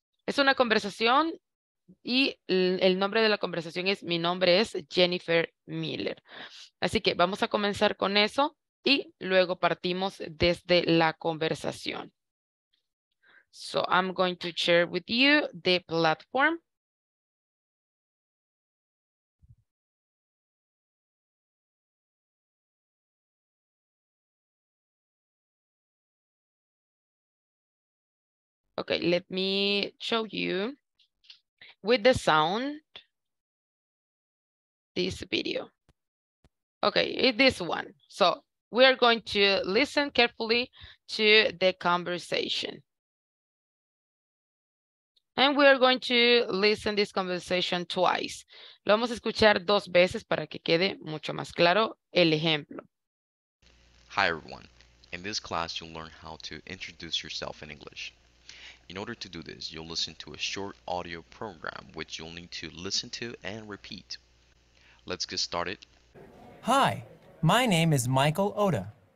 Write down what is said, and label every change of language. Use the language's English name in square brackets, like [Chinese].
[Spanish] Es una conversación y el nombre de la conversación es Mi nombre es Jennifer Miller. Así que vamos a comenzar con eso y luego partimos desde la conversación. [English] So I'm going to share with you the platform. Okay, let me show you with the sound this video. Okay, it's this one. So we are going to listen carefully to the conversation. And we are going to listen this conversation twice. [Spanish] Lo vamos a escuchar dos veces para que quede mucho más claro el ejemplo. [English] Hi, everyone. In this class, you'll learn how to introduce yourself in English. In order to do this, you'll listen to a short audio program, which you'll need to listen to and repeat. Let's get started. Hi, my name is Michael Oda.